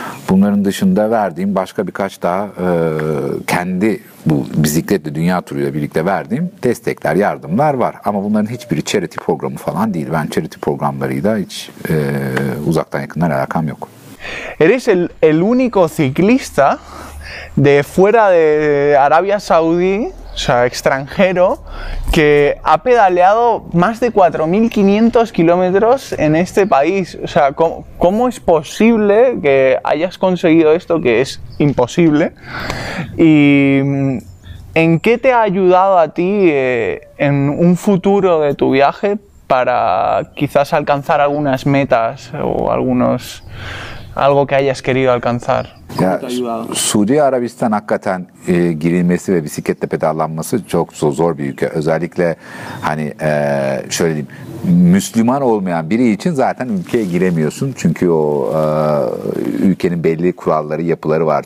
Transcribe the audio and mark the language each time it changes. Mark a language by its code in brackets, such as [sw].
[tr] Bunların dışında verdiğim başka birkaç daha kendi bu bisikletle dünya turuyla birlikte verdiğim destekler, yardımlar var. Ama bunların hiçbiri charity programı falan değil. Ben charity programlarıyla hiç uzaktan yakından alakam yok. [es] Eres el único ciclista de fuera de Arabia Saudí, o sea, extranjero, que ha pedaleado más de 4.500 kilómetros en este país. O sea, ¿cómo es posible que hayas conseguido esto, que es imposible? Y ¿en qué te ha ayudado a ti en un futuro de tu viaje para quizás alcanzar algunas metas o algunos... algo que hayas querido alcanzar? [tr] Ya, Suudi Arabistan hakikaten girilmesi ve bisikletle pedallanması çok zor bir ülke. Özellikle hani şöyle diyeyim, Müslüman olmayan biri için zaten ülkeye giremiyorsun. Çünkü o ülkenin belli kuralları, yapıları var.